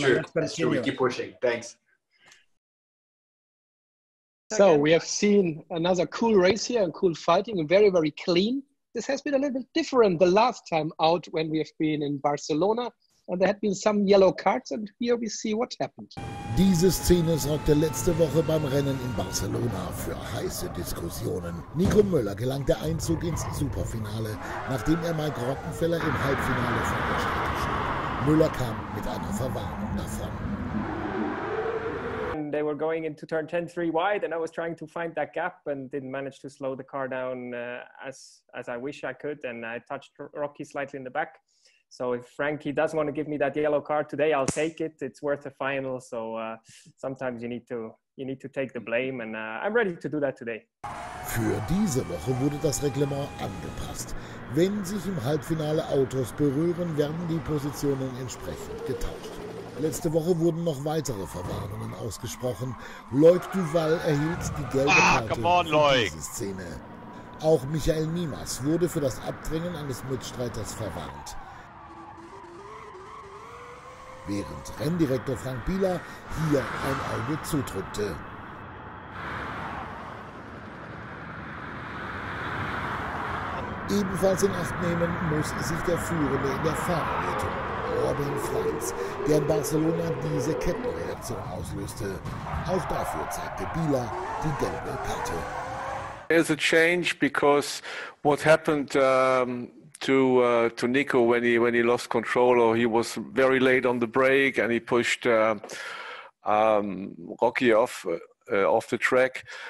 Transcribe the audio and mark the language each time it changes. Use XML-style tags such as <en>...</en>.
<en>True. That's true. We keep pushing. Thanks. So we have seen another cool race here and cool fighting and very, very clean. This has been a little bit different the last time out when we have been in Barcelona. And there had been some yellow cards, and here we see what happened.</en> <de>Diese Szene sorgte letzte Woche beim Rennen in Barcelona für heiße Diskussionen. Nico Müller gelang der Einzug ins Superfinale, nachdem er Mike Rockenfeller im Halbfinale von der Strecke schlug. Müller kam mit einer Verwarnung davon.</de> <en>And they were going into turn 10 three wide, and I was trying to find that gap and didn't manage to slow the car down as I wish I could, and I touched Rocky slightly in the back. So if Frankie does want to give me that yellow card today, I'll take it. It's worth a final. So sometimes you need to take the blame, and I'm ready to do that today.</en> <de>Für diese Woche wurde das Reglement angepasst. Wenn sich im Halbfinale Autos berühren, werden die Positionen entsprechend getauscht. Letzte Woche wurden noch weitere Verwarnungen ausgesprochen. Loic Duval erhielt die gelbe Karte für diese Szene. Auch Michael Niemas wurde für das Abdrängen eines Mitstreiters verwarnt. Während Renndirektor Frank Bieler hier ein Auge zudrückte. Ebenfalls in Acht nehmen muss sich der Führende in der Fahrerwertung, Robin Franz, der in Barcelona diese Kettenreaktion auslöste. Auch dafür zeigte Bieler die gelbe Karte.</de> <en>There's a change because what happened to Nico when he lost control, or he was very late on the brake and he pushed Rocky off the track.</en>